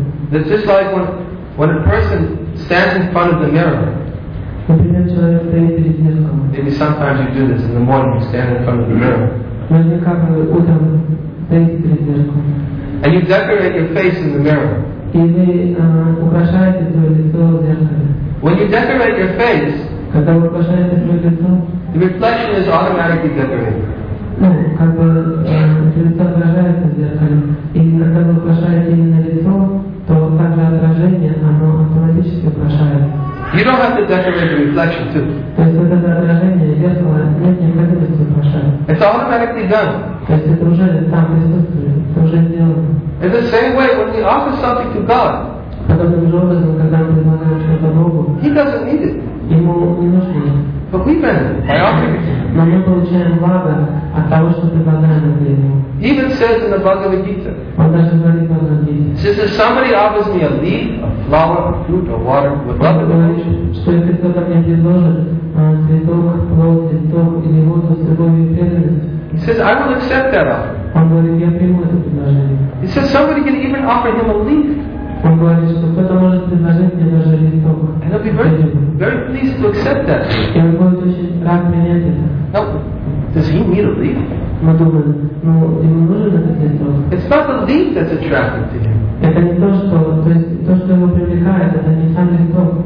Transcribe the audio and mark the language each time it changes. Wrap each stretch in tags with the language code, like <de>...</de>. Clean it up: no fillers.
<en>That just like when a person stands in front of the mirror, maybe sometimes you do this in the morning, you stand in front of the mirror, and you decorate your face in the mirror. When you decorate your face,</en> <ru>Когда вы касаетесь моего лица,</ru> <en>the reflection is automatically generated.</en> <ru>Ну, как бы лицо отражается в зеркале. И когда вы украшаете именно лицо, то также отражение, оно автоматически украшается.</ru> <en>You don't have to decorate the reflection too.</en> <ru>То есть это отражение зеркала нет необходимости украшать.</ru> <en>It's automatically done.</en> <ru>То есть это уже там присутствует, это уже сделано.</ru> <en>In the same way, when we offer something to God,</en> <ru>подобным же образом, когда мы предлагаем что-то Богу,</ru> <en>He doesn't need it.</en> <ru>Ему не нужно.</ru> <en>But we benefit by offering.</en> <ru>Но мы получаем благо от того, что предлагаем это ему.</ru> <en>Even says in the Bhagavad Gita.</en> <ru>Он даже говорит в Бхагавад Гите.</ru> <en>Says if somebody offers me a leaf, a flower, a fruit, a water, with love and devotion.</en> <ru>Что если кто-то мне предложит цветок, плод, цветок или воду с любовью и преданностью?</ru> <en>He says I will accept that offer.</en> <ru>Он говорит, я приму это предложение.</ru> <en>He says somebody can even offer him a leaf.</en> <ru>Он говорит, что кто-то может предложить мне даже листок.</ru> <en>And I'll be very, very pleased to accept that.</en> <ru>И он будет очень рад принять это.</ru> <en>Now, does he need a leaf?</en> <ru>Мы думаем, ну, ему нужен этот листок.</ru> <en>It's not the leaf that's attractive to him.</en> <ru>Это не то, что, то есть, то, что его привлекает, это не сам листок.</ru>